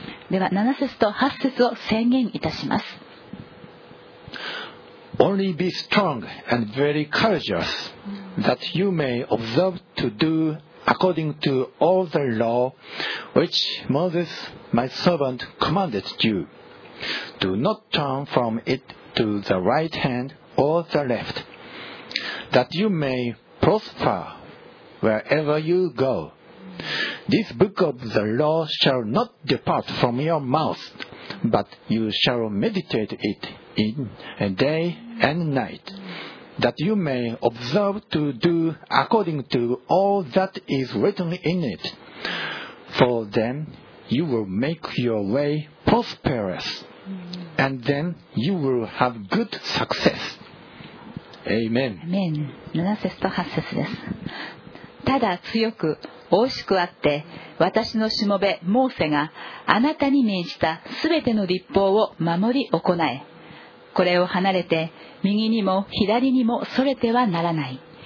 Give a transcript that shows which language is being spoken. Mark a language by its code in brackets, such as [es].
[ja] では七節と八節を宣言いたします。 [en] Only be strong and very courageous, that you may observe to do according to all the law which Moses, my servant, commanded you. Do not turn from it to the right hand or the left, that you may prosper wherever you go. This book of the law shall not depart from your mouth, but you shall meditate it in a day and night, that you may observe to do according to all that is written in it. For then you will make your way prosperous, and then you will have good success. Amen. [ja] Amen. 七節と八節です。ただ強く大きくあって、私のしもべモーセがあなたに命じたすべての律法を守り行え。これを離れて右にも左にもそれてはならない。